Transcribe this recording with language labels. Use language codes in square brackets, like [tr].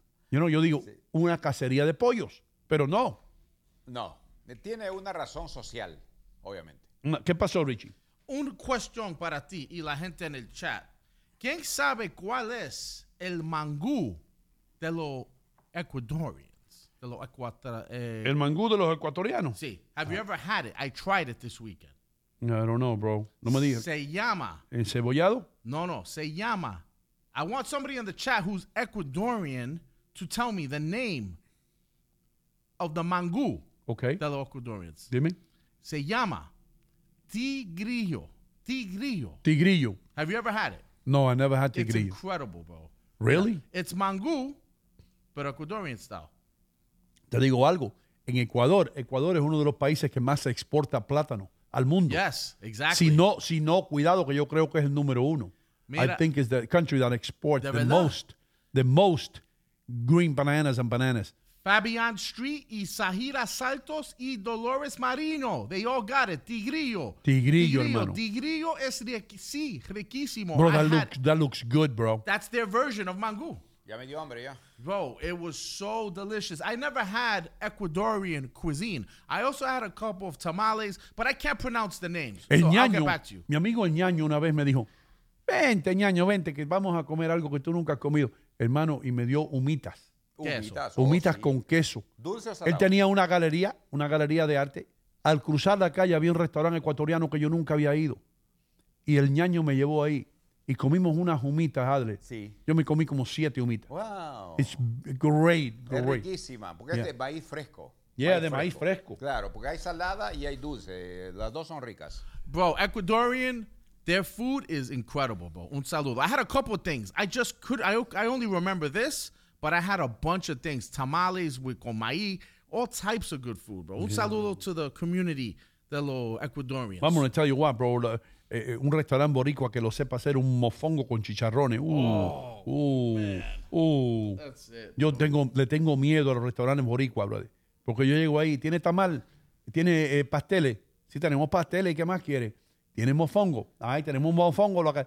[es] Yo digo, una cacería de pollos, pero no. No, tiene una razón social, obviamente. ¿Qué pasó, Richie? Una cuestión para ti y la gente en el chat. ¿Quién sabe cuál es el mangú de los ecuadorianos? ¿El mangú de los ecuatorianos? Sí. [en] Have you ever had it? I tried it this weekend. No, I don't know, bro. [es] No me digas. Se llama. ¿Encebollado? [en] No. [es] Se llama. [en] I want somebody in the chat who's Ecuadorian to tell me the name of the mangú de los ecuadorianos. [es] Dime. Se llama Tigrillo. Tigrillo. Tigrillo. [en] Have you ever had it? No, I never had tigrillo. It's incredible, bro. Really? Yeah. It's mangú, pero Ecuadorian style. [es] Te digo algo. En Ecuador, Ecuador es uno de los países que más exporta plátano al mundo. [en] Yes, exactly. [es] Si no, cuidado, que yo creo que es el número uno. Mira, [en] I think it's the country that exports the most green bananas and bananas. Fabian Street y Sahira Saltos y Dolores Marino. They all got it. Tigrillo. [es] Tigrillo, hermano. Tigrillo es riquísimo. [en] Bro, that looks good, bro. That's their version of mangú. [es] Ya me dio hambre, ya. [en] Bro, it was so delicious. I never had Ecuadorian cuisine. I also had a couple of tamales, but I can't pronounce the names. [es] El [en] so [es] Ñaño, [en] I'll get back to you. [es] Mi amigo Ñaño una vez me dijo, vente, Ñaño, vente, que vamos a comer algo que tú nunca has comido. Hermano, y me dio humitas. Humitas con queso. Dulce o salado. Él tenía una galería de arte. Al cruzar la calle había un restaurante ecuatoriano que yo nunca había ido. Y el Ñaño me llevó ahí. Y comimos unas humitas, Adler. Sí. Yo me comí como 7 humitas. Wow. [en] It's great, great. [es] Es riquísima, porque es de maíz fresco. Yeah, maíz de maíz fresco. Claro, porque hay salada y hay dulce. Las dos son ricas. [en] Bro, Ecuadorian, their food is incredible, bro. [es] Un saludo. [en] I had a couple of things. I only remember this, but I had a bunch of things. Tamales with comaí, all types of good food, bro. [es] Un saludo [en] to the community, the little Ecuadorians. I'm going to tell you what, bro. [es] Un restaurante boricua que lo sepa hacer un mofongo con chicharrones. [en] That's it. [es] Yo le tengo miedo a los restaurantes boricua, brother. Porque yo llego ahí, tiene tamal, tiene pasteles. Sí, tenemos pasteles, ¿qué más quiere? Tiene mofongo. Ahí tenemos un mofongo.